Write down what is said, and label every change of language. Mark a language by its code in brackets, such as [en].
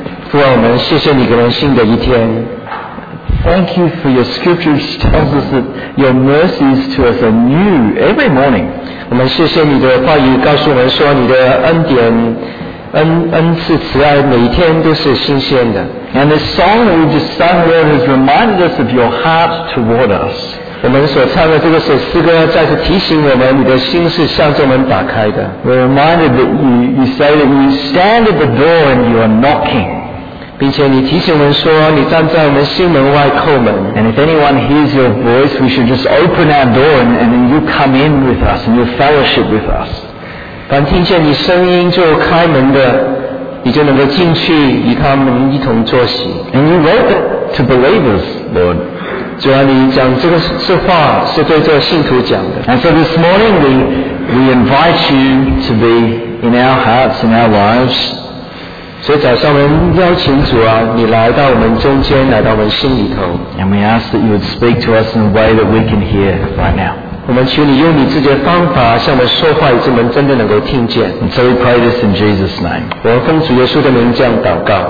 [zh] 父啊，我们谢谢你给我们新的一天。 [en] Thank you for your scriptures tells us that your mercies to us are new every morning. [zh] 我们谢谢你的话语告诉我们说你的恩典恩赐慈爱每天都是新鲜的。 [en] And the song we just sung has reminded us of your heart toward us. [zh] 我们所唱的这个首诗歌再次提醒我们你的心是向着我们打开的。 [en] We're reminded that you say that you stand at the door and you are knocking. [zh] 并且你提醒我们说你站在我们心门外叩门 [en] And if anyone hears your voice we should just open our door and then you come in with us and you fellowship with us [zh] 凡听见你声音就开门的你就能够进去与他们一同坐席 [en] And you wrote it to believers, Lord [zh] 主要你讲这个是话是对这个信徒讲的 [en] And so this morning we invite you to be in our hearts and our lives [zh] 所以早上我们邀请主啊你来到我们中间来到我们心里头 [en] And we ask that you would speak to us in a way that we can hear right now [zh] 我们求你用你自己的方法向我们说话以致我们真的能够听见 [en] And so we pray this in Jesus' name [zh] 我们奉主耶稣的名这样祷告